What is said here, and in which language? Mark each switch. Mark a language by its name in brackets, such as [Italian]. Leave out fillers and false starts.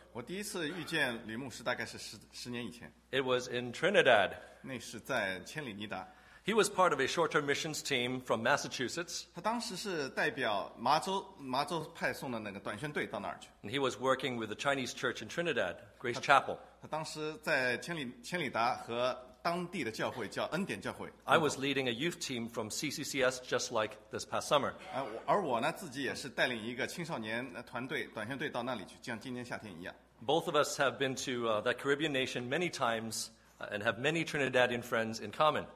[Chinese] 我第一次遇见李牧师大概是十年以前。 [English] It was in Trinidad. [Chinese] 那是在千里尼达。 [English] He was part of a short-term missions team from Massachusetts. [Chinese] 他当时是代表麻州派送的那个短宣队到那儿去。 [English] And he was working with the Chinese church in Trinidad, Grace Chapel. [Chinese] 他当时在千里达和当地的教会叫恩典教会。 [English] I was leading a youth team from CCCS just like this past summer. [Chinese] 而我呢自己也是带领一个青少年团队短宣队到那里去，像今年夏天一样。 [English] Both of us have been to that Caribbean nation many times. And have many Trinidadian friends in common.